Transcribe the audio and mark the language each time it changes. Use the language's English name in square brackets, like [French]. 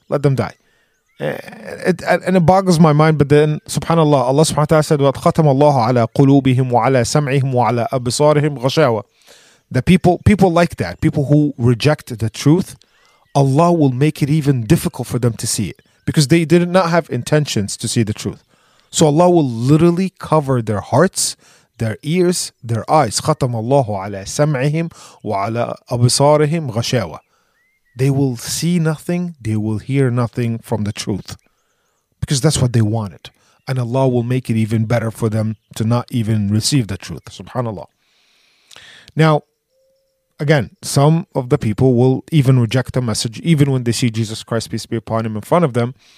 [English] And it boggles my mind, but then, subhanAllah, Allah subhanahu wa ta'ala said, [Arabic] وَأَتْخَتَمَ اللَّهُ عَلَىٰ قُلُوبِهِمْ وَعَلَىٰ سَمْعِهِمْ وَعَلَىٰ أَبْصَارِهِمْ غَشَاوَةً. [English] The people like that, people who reject the truth, Allah will make it even difficult for them to see it, because they did not have intentions to see the truth. So Allah will literally cover their hearts, their ears, their eyes. [Arabic] ختم الله على سمعهم وعلى أبصارهم غشاوة. [English] They will see nothing, they will hear nothing from the truth. Because that's what they wanted. And Allah will make it even better for them to not even receive the truth. Subhanallah. Now, again, some of the people will even reject the message, even when they see Jesus Christ, peace be upon him, in front of them.